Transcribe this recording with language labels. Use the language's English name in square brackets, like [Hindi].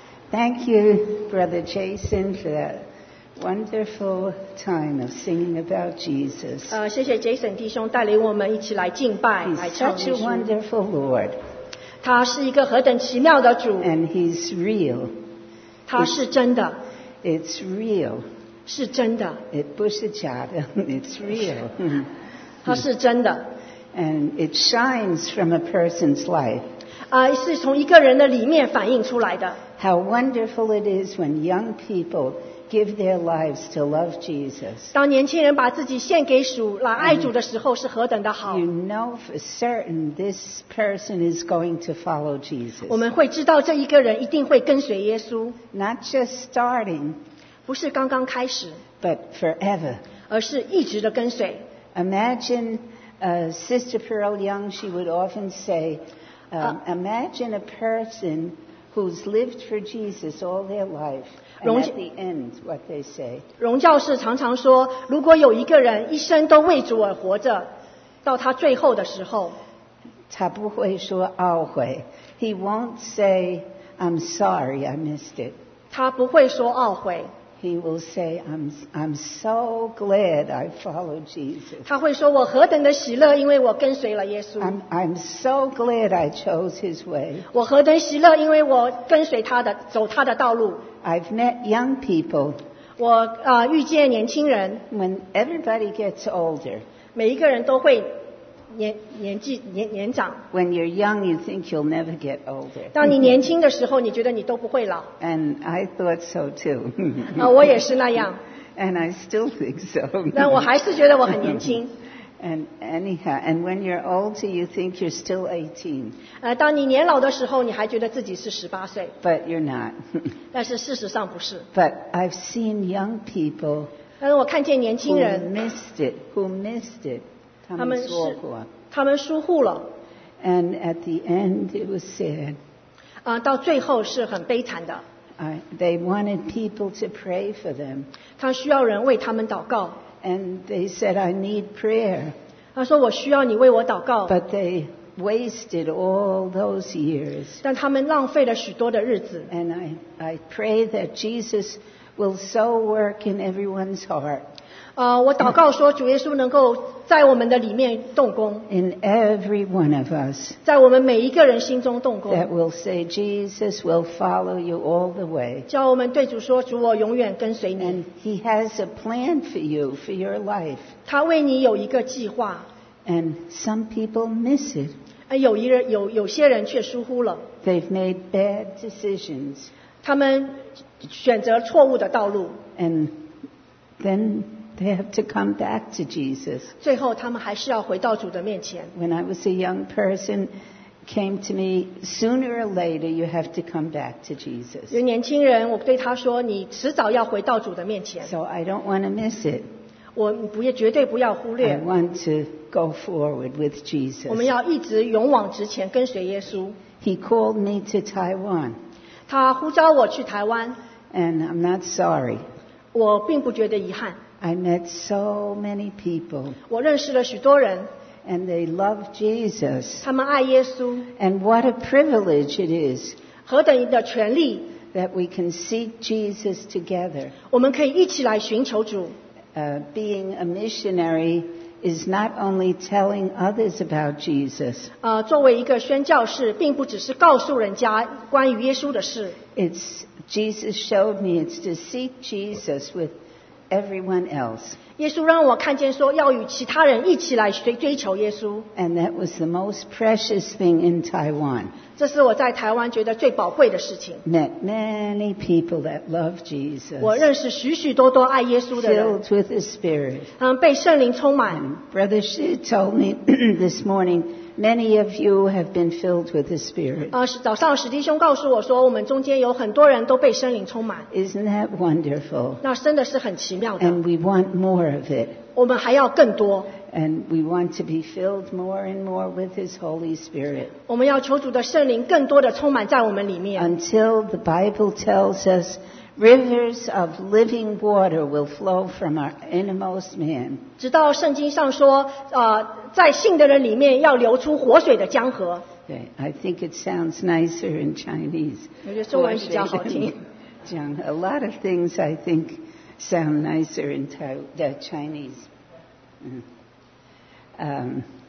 [English] Thank you, Brother Jason, for that wonderful time of singing about Jesus. [Chinese] 谢谢 Jason 弟兄带领我们一起来敬拜，来唱诗。 [English] He's such a wonderful Lord. [Chinese] 他是一个何等奇妙的主。 [English] And he's real. [Chinese] 他是真的。 [English] It's real. [Chinese] 是真的。 [English] It [Chinese] 不是假的。 [English] It's real. [Chinese] 他是真的。 [English] And it shines from a person's life. [Chinese] 是从一个人的里面反映出来的。 [English] How wonderful it is when young people give their lives to love Jesus. [Chinese] 当年轻人把自己献给主，来爱主的时候，是何等的好。 [English] You know for certain this person is going to follow Jesus. [Chinese] 我们会知道这一个人一定会跟随耶稣。 [English] Not just starting. [Chinese] 不是刚刚开始。 [English] But forever. [Chinese] 而是一直的跟随。 [English] Imagine. Sister Pearl Young, she would often say, imagine a person who's lived for Jesus all their life, and at the end, what they say. [Chinese] 荣教士常常说，如果有一个人一生都为主而活着，到他最后的时候，他不会说懊悔。 [English] He won't say, I'm sorry, I missed it. [Chinese] 他不会说懊悔。 [English] He will say, I'm so glad I followed Jesus. [Chinese] 他会说我何等的喜乐因为我跟随了耶稣。 [English] I'm so glad I chose his way. [Chinese] 我何等喜乐因为我跟随他的走他的道路。 [English] I've met young people. [Chinese] 我遇见年轻人。 [English] When everybody gets older. [Chinese] 每一个人都会年长。 [English] When you're young, you think you'll never get older. [Chinese] 当你年轻的时候，你觉得你都不会老。 [English] And I thought so too. [Chinese] 我也是那样。 [English] And I still think so. [Chinese] 但我还是觉得我很年轻。 [English] And anyhow, and when you're older, you think you're still 18. [Chinese] 当你年老的时候，你还觉得自己是十八岁。 [English] But you're not. [Chinese] 但是事实上不是。 [English] But I've seen young people. [Chinese] 但是我看见年轻人。 [English] Who missed it. [Chinese] 他们疏忽了。 [English] And at the end, it was sad. [Chinese] 到最后是很悲惨的。 [English] They wanted people to pray for them. [Chinese] 他需要人为他们祷告。 [English] And they said, I need prayer. [Chinese] 他说我需要你为我祷告。 [English] But they wasted all those years. [Chinese] 但他们浪费了许多的日子。 [English] And I pray that Jesus will so work in everyone's heart. [Chinese] 我祷告说主耶稣能够在我们的里面动工 [English] in every one of us, [Chinese] 在我们每一个人心中动工 [English] that will say Jesus will follow you all the way [Chinese] 叫我们对主说主我永远跟随你 [English] and he has a plan for you for your life [Chinese] 他为你有一个计划 [English] and some people miss it [Chinese] 有些人却疏忽了 [English] they've made bad decisions [Chinese] 他们选择错误的道路 [English] and thenThey have to come back to Jesus. [Chinese] 最后他们还是要回到主的面前。 [English] When I was a young person, came to me, sooner or later, you have to come back to Jesus. [Chinese] 有年轻人，我对他说，你迟早要回到主的面前。 [English] So I don't want to miss it. [Chinese] 我不也绝对不要忽略。 [English] I want to go forward with Jesus. [Chinese] 我们要一直勇往直前，跟随耶稣。 [English] He called me to Taiwan. [Chinese] 他呼召我去台湾。 [English] And I'm not sorry. [Chinese] 我并不觉得遗憾。 [English] I met so many people. [Chinese] 我认识了许多人。 [English] And they love Jesus. [Chinese] 他们爱耶稣。 [English] And what a privilege it is. [Chinese] 何等的权利。 [English] That we can seek Jesus together. [Chinese] 我们可以一起来寻求主。 [English] Being a missionary is not only telling others about Jesus. [Chinese] 作为一个宣教士，并不只是告诉人家关于耶稣的事。 [English] Jesus showed me it's to seek Jesus with everyone else. [Chinese] 耶稣让我看见说要与其他人一起来追求耶稣。 [English] And that was the most precious thing in Taiwan. [Chinese] 这是我在台湾觉得最宝贵的事情。 [English] Met many people that love Jesus. [Chinese] 我认识许许多多爱耶稣的人。 [English] Filled with the Spirit. [Chinese] 被圣灵充满。 [English] And Brother Shi told me this morning, many of you have been filled with the Spirit. [Chinese] 早上史弟兄告诉我说我们中间有很多人都被圣灵充满。 [English] Isn't that wonderful? [Chinese] 那真的是很奇妙的。 [English] And we want more of it. [Chinese] 我们还要更多。 [English] And we want to be filled more and more with His Holy Spirit. [Chinese] 我们要求主的圣灵更多的充满在我们里面。 [English] Until the Bible tells us, Rivers of living water will flow from our innermost man. [Chinese] 直到圣经上说，在信的人里面要流出活水的江河。对 [English] ，I think it sounds nicer in Chinese. [Chinese] 我觉得中文比较好听。讲 [English] a lot of things I think sound nicer in the Chinese.